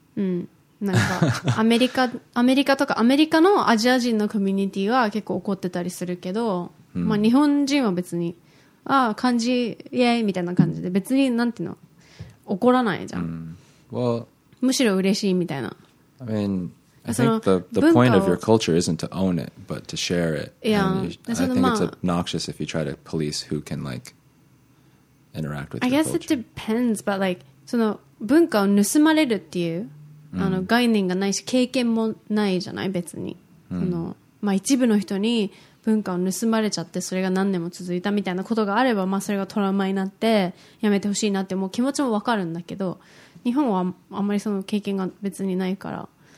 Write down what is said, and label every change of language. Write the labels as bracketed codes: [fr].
[ja] うん、なんかアメリカとか、アメリカのアジア人のコミュニティは結構怒ってたりするけど、うん、まあ、日本人は別に、ああ、漢字、イェイみたいな感じで、別に、なんていうの、怒らないじゃん。うん、 [en] well, [ja] むしろ嬉しいみたいな。 [en] I mean... I think the point of your culture isn't to own it, but to share it. Yeah, and I think it's obnoxious if you try to police who can, like, interact with your culture. I guess it depends, but, like, [ja] その文化を盗まれるっていう、 [en] mm. [ja] 概念がないし、経験もないじゃない、別に。 Mm. まあ、一部の人に文化を盗まれちゃって、それが何年も続いたみたいなことがあれば、まあ、それがトラウマになって、やめてほしいなって、もう気持ちもわかるんだけど、日本はあんまりその経験が別にないから、